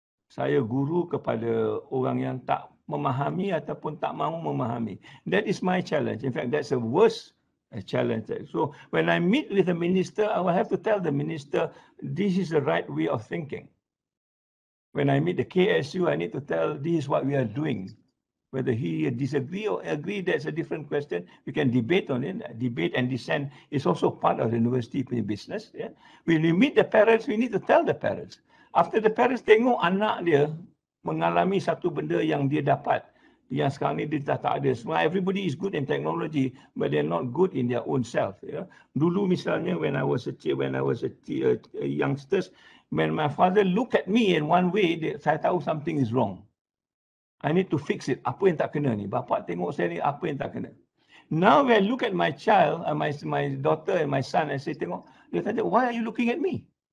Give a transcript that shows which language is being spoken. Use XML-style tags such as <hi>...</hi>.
<ms>Saya guru kepada orang yang tak memahami ataupun tak mahu memahami.</ms> <en>That is my challenge. In fact, that's the worst challenge. So when I meet with the minister, I will have to tell the minister, this is the right way of thinking. When I meet the KSU, I need to tell, this is what we are doing. Whether he disagree or agree, that's a different question. We can debate on it. Debate and dissent is also part of the university business. Yeah. When we meet the parents, we need to tell the parents. After the parents</en> <ms>tengok anak dia mengalami satu benda yang dia dapat, yang sekarang ni dia tak ada.</ms> <en>Well, everybody is good in technology, but they're not good in their own self. Yeah.</en> <ms>Dulu misalnya,</ms> <en>when I was a youngster, when my father look at me in one way,</en> <ms>saya tahu</ms> <en>something is wrong. I need to fix it.</en> <ms>Apa yang tak kena ni? Bapa tengok saya ni, apa yang tak kena?</ms> <en>Now when I look at my child, my daughter and my son, I say,</en> <ms>tengok, dia tanya,</ms> <en>why are you looking at me?</en>